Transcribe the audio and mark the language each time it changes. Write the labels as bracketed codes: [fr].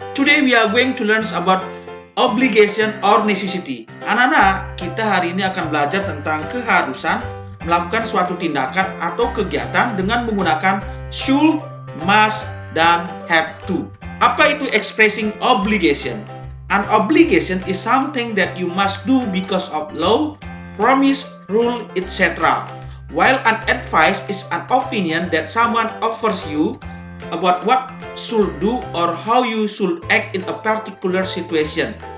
[en] Today we are going to learn about obligation or necessity. [id] Anak-anak, kita hari ini akan belajar tentang keharusan melakukan suatu tindakan atau kegiatan dengan menggunakan should, must, dan have to. Apa itu [en] expressing obligation? An obligation is something that you must do because of law, promise, rule, etc. While an advice is an opinion that someone offers you about what should do or how you should act in a particular situation.